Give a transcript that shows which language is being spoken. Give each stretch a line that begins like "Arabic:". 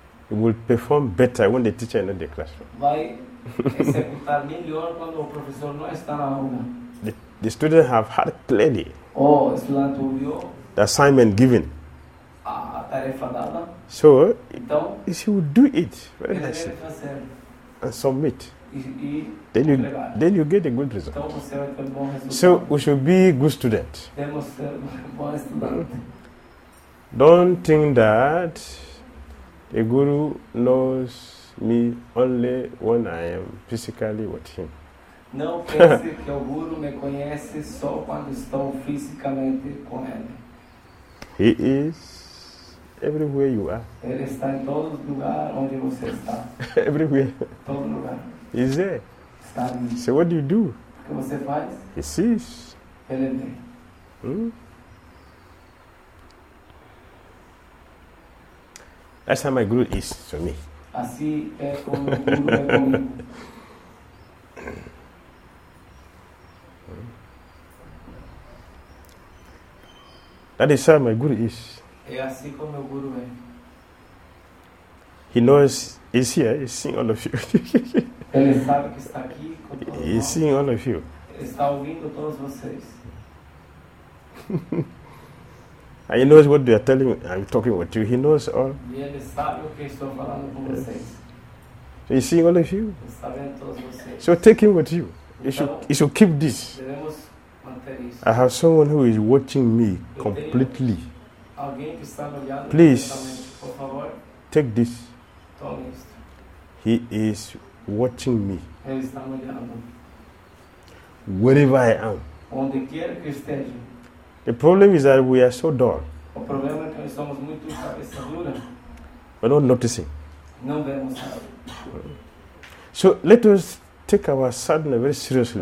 English: he will perform better when the teacher is not in the classroom.
Portuguese: Vai executar melhor quando o professor não está na aula.
English: The student have heard clearly.
Portuguese: Oh, estudante ouviu.
English: The assignment given.
Portuguese: A tarefa dada.
English: So,
Portuguese: então,
English: he will do it very nicely.
Portuguese: Ele deve fazer.
English: And submit.
Portuguese: E
English: then you get a good result.
Portuguese: Então, você vai ter bom resultado.
English: So we should be good student.
Portuguese: Temos ser bom estudante.
English: Don't think that a guru knows me only when I am physically with him.
Portuguese: Não pense que o guru me conhece só quando estou fisicamente com ele.
English: He is everywhere you are.
Portuguese: Ele está em todo lugar onde você está.
English: Everywhere.
Portuguese: Todo lugar.
English: Is there? So what do you do?
Portuguese: Você faz?
English: He sees.
Portuguese: Ele vê.
English: That's how my guru is to me.
Portuguese: Assim é como guru é comigo.
English: That is how my guru is.
Portuguese: É assim como meu guru é.
English: He knows he's here, he's seeing all of you.
Portuguese: Ele sabe que está aqui com todos vocês.
English: He's seeing all of you.
Portuguese: Ele está ouvindo todos vocês.
English: And he knows what they are telling me. I'm talking with you. He knows all.
Portuguese: E ele sabe o que estou falando com vocês.
English: So he's seeing all of you.
Portuguese: Ele está vendo todos vocês.
English: So take him with you. You should keep this.
Portuguese: Devemos manter isso.
English: I have someone who is watching me completely.
Portuguese: Alguém que está olhando completamente.
English: Please,
Portuguese: por favor.
English: Take this.
Portuguese: Tome isto.
English: He is watching me.
Portuguese: Ele está olhando.
English: Wherever I am.
Portuguese: Onde quer que esteja.
English: The problem is that we are so dull.
Portuguese: O problema é que nós somos muito cabeça dura.
English: We're not noticing.
Portuguese: Não vemos nada.
English: So let us take our sadness very seriously.